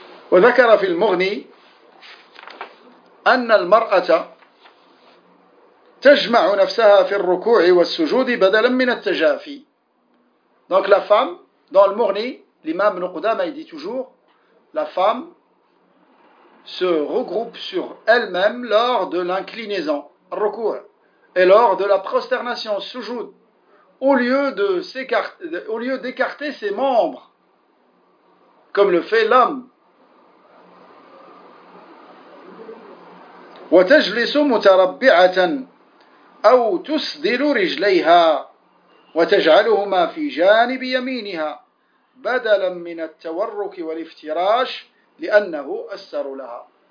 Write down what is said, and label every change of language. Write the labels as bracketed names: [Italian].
[Arabic] وذكر في المغني أن المرأة تجمع نفسها في الركوع والسجود بدلا من التجافي. [French] Donc la femme, dans le Mughni, l'imam Ibn Qudama dit toujours, la femme se regroupe sur elle-même lors de l'inclinaison, ruku, et lors de la prosternation, sujoud, au lieu d'écarter ses membres, comme le fait l'homme. [Arabic] وتجلس متربعة أو تسدل رجليها وتجعلهما في جانب يمينها بدلا من التورك والافتراش لأنه أسر لها.